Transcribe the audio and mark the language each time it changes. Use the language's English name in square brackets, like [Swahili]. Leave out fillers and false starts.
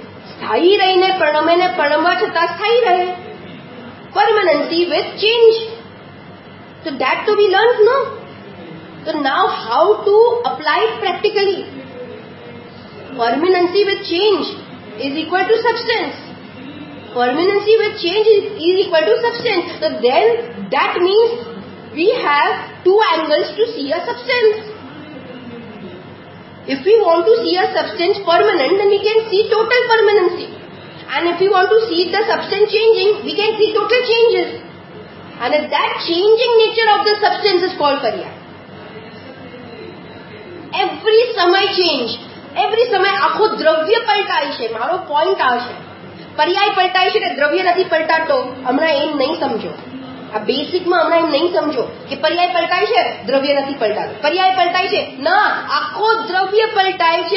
[Gujarati] સ્થાયી રહીને પ્રણમે ને પ્રણમવા છતાં સ્થાયી રહે, [English] Permanency with change. તો that to be learned no. તો now how to apply practically. Permanency with change is equal to substance. Permanency with change is equal to substance. તો then that means we have two angles to see a substance. If we want to see a substance permanent, then we can see total permanency. And if we want to see the substance changing, we can see total changes. And if that changing nature of the substance is called parya, [Gujarati] every સમય change, every સમય આખો દ્રવ્ય પલટાય છે. મારો point આવશે, પર્યાય પલટાય છે કે દ્રવ્ય નથી પલટાતો. હમણાં એમ નહીં સમજો, આ બેસિકમાં હમણાં એમ નહીં સમજો કે પર્યાય પલટાય છે દ્રવ્ય નથી પલટાતો. પર્યાય પલટાય છે ના, આખો દ્રવ્ય પલટાય છે.